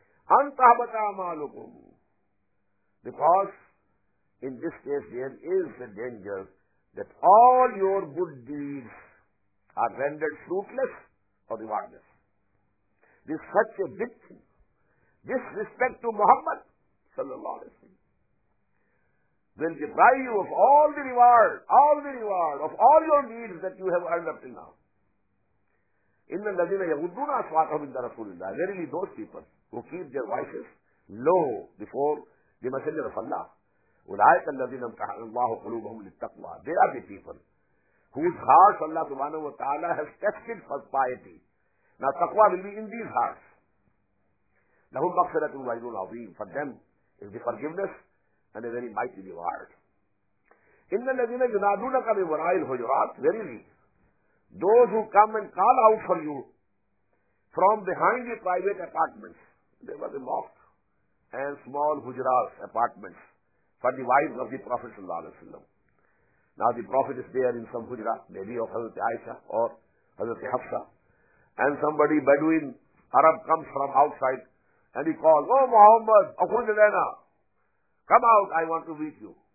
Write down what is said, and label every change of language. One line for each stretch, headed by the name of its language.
Arabic: انتحبت اعمالكم,
English: because in this case there is a danger that all your good deeds are rendered fruitless or rewardless. This is such a big thing. Disrespect to Muhammad sallallahu alaihi wasallam will deprive you of all the reward of all your deeds that you have earned up till now.
Arabic: ان الذين يغضون اصواتهم عند رسول الله.
English: Verily those people who keep their voices low before the messenger of Allah,
Arabic: أولئك الذين امتحن الله قلوبهم للتقوى.
English: They are the people whose hearts Allah subhanahu wa ta'ala has tested for piety. Now taqwa will be in these hearts.
Arabic: لهم مغفرة وأجر عظيم.
English: For them is the forgiveness and a very mighty reward.
Arabic: ان الذين ينادونك من وراء الحجرات.
English: Verily those who come and call out for you from behind the private apartments. There were the loft and small hujras, apartments, for the wives of the Prophet sallallahu alaihi wasallam. Now the Prophet is there in some hujra, maybe of Hazrat Aisha or Hazrat Hafsa, and somebody Bedouin Arab comes from outside and he calls, "Oh Muhammad,
Arabic: akhruj lana,
English: come out, I want to meet you."